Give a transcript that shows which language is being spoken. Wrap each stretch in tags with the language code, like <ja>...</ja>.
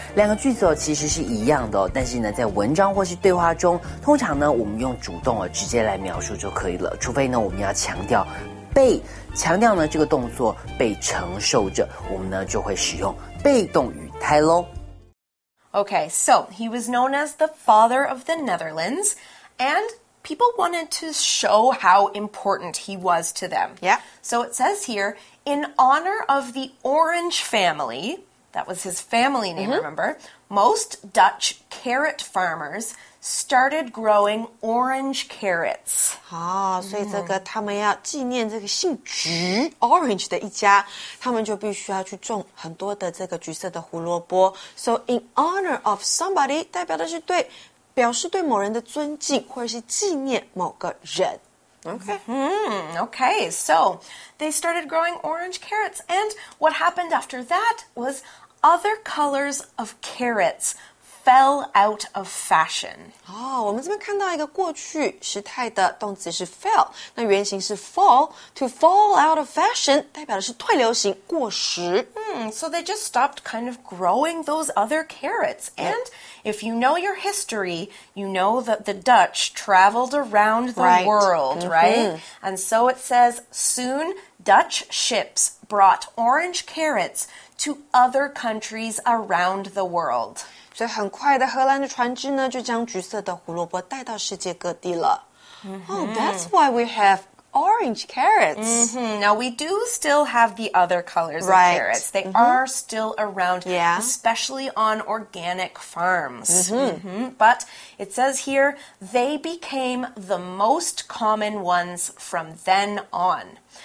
<zh>两个句子哦，其实是一样的哦，但是呢，在文章或是对话中，通常呢，我们用主动而直接来描述就可以了，除非呢，我们要强调被，强调呢这个动作被承受着，我们呢就会使用被动语态喽。</zh> <en>Okay, so he was known as the father of the Netherlands, and people wanted to show how important he was to them. Yeah. So it says here, in honor of the Orange family, that was his family name, remember, most Dutch carrot farmers started growing orange carrots.</en> <zh>好、oh, 所以这个他们要纪念这个姓橘 Orange 的一家，他们就必须要去种很多的这个橘色的胡萝卜。</zh> <en>So in honor of somebody</en> <zh>代表的是对，表示对某人的尊敬或者是纪念某个人。</zh> <en>Okay, so they started growing orange carrots. And what happened after that was other colors of carrots fell out of fashion.</en> <zh>哦，我们这边看到一个过去时态的动词是 fell， 那原型是 fall，</zh> <en>to fall out of fashion</en> <zh>代表的是退流行、过时。</zh> <en>So they just stopped kind of growing those other carrots. And if you know your history, you know that the Dutch traveled around the world, right? And so it says, soon Dutch ships brought orange carrots to other countries around the world.</en> <zh>所以很快的荷兰的船只呢就将橘色的胡萝卜带到世界各地了。</zh> <en>Oh, that's why we have orange carrots. Now we do still have the other colors of carrots. They are still around, especially on organic farms. But it says here, they became the most common ones from then on.</en>